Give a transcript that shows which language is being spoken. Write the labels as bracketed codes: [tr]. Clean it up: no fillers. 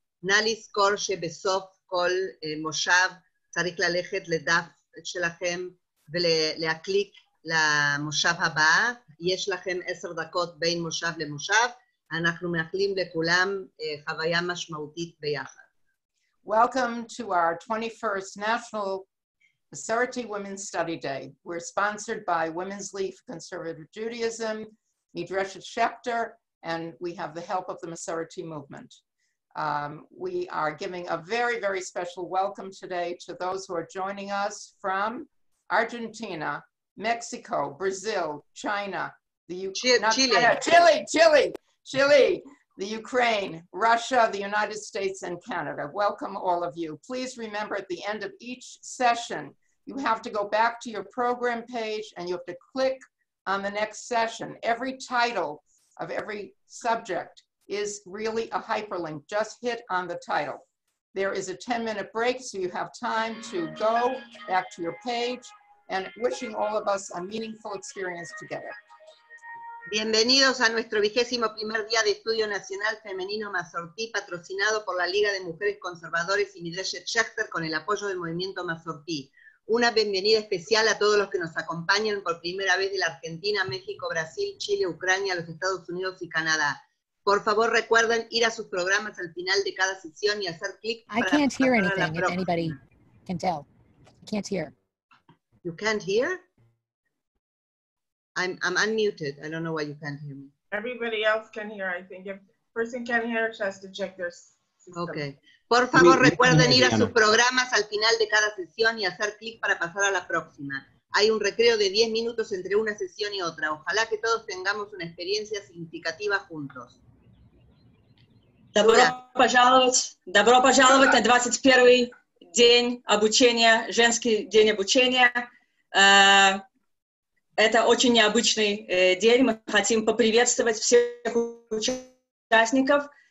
[he] נא לזכור שבסוף כל מושב צריך ללכת לדף שלכם ולהקליק למושב הבא. יש לכם 10 דקות בין מושב למושב. אנחנו מאחלים לכולם חוויה משמעותית ביחד. [en] Welcome to our 21st National Masorti Women's Study Day. We're sponsored by Women's Leaf Conservative Judaism, Midrash Shechter, and we have the help of the Masorti Movement. We are giving a very, very special welcome today to those who are joining us from Argentina, Mexico, Brazil, China, the Chile, the Ukraine, Russia, the United States, and Canada. Welcome all of you. Please remember at the end of each session, you have to go back to your program page and you have to click on the next session. Every title of every subject is really a hyperlink. Just hit on the title. There is a 10-minute break, so you have time to go back to your page and wishing all of us a meaningful experience together. [es] Bienvenidos a nuestro 21º día de estudio nacional femenino Masorti, patrocinado por la Liga de Mujeres Conservadores y Midrash Shechter con el apoyo del movimiento Masorti. Una bienvenida especial a todos los que nos acompañan por primera vez de la Argentina, México, Brasil, Chile, Ucrania, los Estados Unidos y Canadá. Por favor, recuerden ir a sus programas al final de cada sesión y hacer clic para... [en] I can't hear anything, if anybody can tell. I can't hear. You can't hear? I'm unmuted. I don't know why you can't hear me. Everybody else can hear, I think. If a person can hear, she has to check their system. Okay. [es] Por favor, recuerden ir a sus programas al final de cada sesión y hacer clic para pasar a la próxima. Hay un recreo de 10 minutos entre una sesión y otra. Ojalá que todos tengamos una experiencia significativa juntos. [ru] Добро пожаловать на 21-й день обучения, женский день обучения. Это очень необычный день. Мы хотим поприветствовать всех участников.